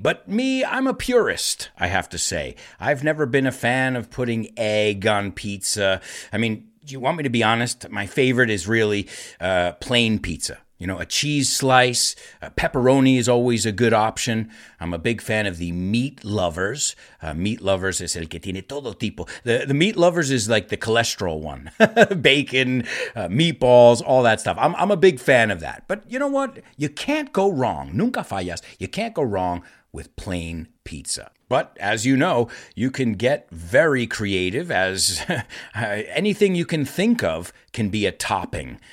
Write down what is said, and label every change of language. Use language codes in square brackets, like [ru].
[en] But me, I'm a purist, I have to say. I've never been a fan of putting egg on pizza. I mean, do you want me to be honest? My favorite is really plain pizza. You know, a cheese slice, a pepperoni is always a good option. I'm a big fan of the meat lovers. [es] Meat lovers es el que tiene todo tipo. [en] The meat lovers is like the cholesterol one. Bacon, meatballs, all that stuff. I'm a big fan of that. But you know what? You can't go wrong. [es] Nunca fallas. [en] You can't go wrong with plain pizza. But as you know, you can get very creative as anything you can think of can be a topping.